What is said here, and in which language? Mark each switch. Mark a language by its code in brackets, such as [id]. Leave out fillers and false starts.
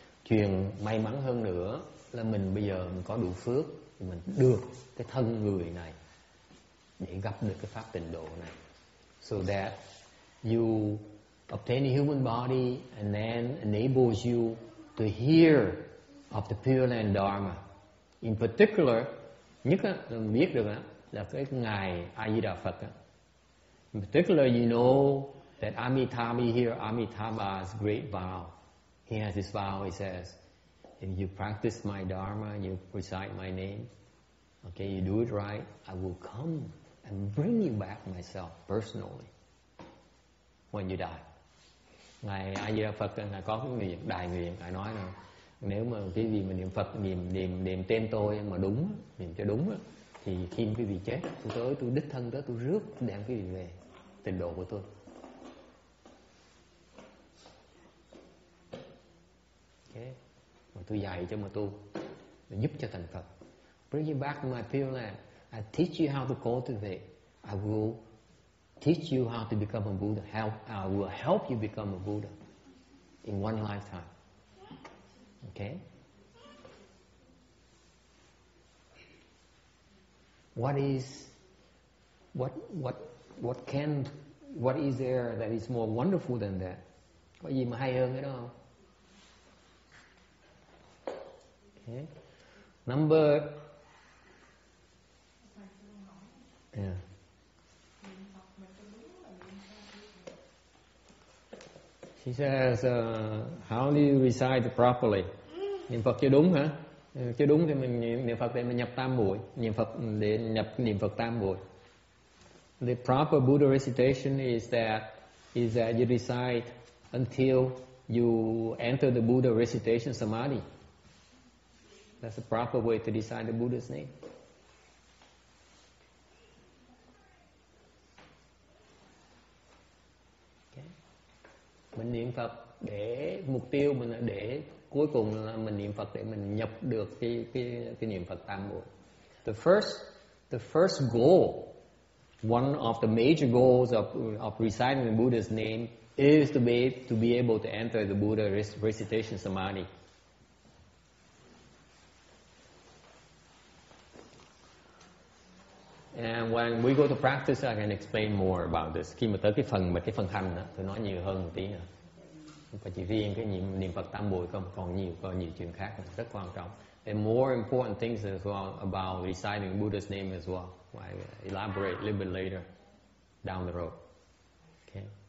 [vi] Chuyện may mắn hơn nữa là mình bây giờ mình có đủ phước thì mình được cái thân người này để gặp được cái pháp tịnh độ này. [en] So that you obtain a human body and then enables you to hear of the Pureland Dharma. In particular, [vi] nhất là biết được là cái ngài A Di Đà Phật. [en] In particular, you know that Amitabha here, Amitabha's great vow. He has this vow, he says, if you practice my Dharma, you recite my name, okay, you do it right, I will come and bring you back myself personally when you die. [vi] Ngài A Di Đà Phật ngài có cái nguyện đại nguyện, ngài nói là nếu mà cái gì mà niệm Phật niệm tên tôi mà đúng, niệm cho đúng thì khi quý vị chết tôi đích thân tới tôi rước đem quý vị về tịnh độ của tôi. Okay. Mà tôi dạy cho mà tu để giúp cho thành Phật. [en] Bring you back my Pure Land. I teach you how to cultivate. I will teach you how to become a Buddha. I will help you become a Buddha in one lifetime. Okay? What is there that is more wonderful than that? [vi] Có gì mà hay hơn cái đó không? [en] Okay. Number. Yeah. She says, how do you recite properly? [vi] Niệm Phật chưa đúng hả? Chưa đúng thì mình niệm Phật để mình nhập tam muội, niệm Phật để nhập niệm Phật tam muội. [en] The proper Buddha recitation is that you recite until you enter the Buddha recitation samadhi. That's the proper way to recite the Buddha's name. [vi] Mình niệm Phật để mục tiêu mình là để cuối cùng là mình niệm Phật để mình nhập được cái niệm Phật tam muội. [en] The first goal, one of the major goals of reciting the Buddha's name is to be able to enter the Buddha recitation samadhi. And when we go to practice, I can explain more about this. [vi] Khi mà tới cái phần mà cái phần hành đó, tôi nói nhiều hơn một tí nữa. Và chỉ riêng cái niệm Phật tam muội không, còn nhiều chuyện khác rất quan trọng. [en] And more important things as well about reciting Buddha's name as well. I elaborate a little bit later down the road. Okay.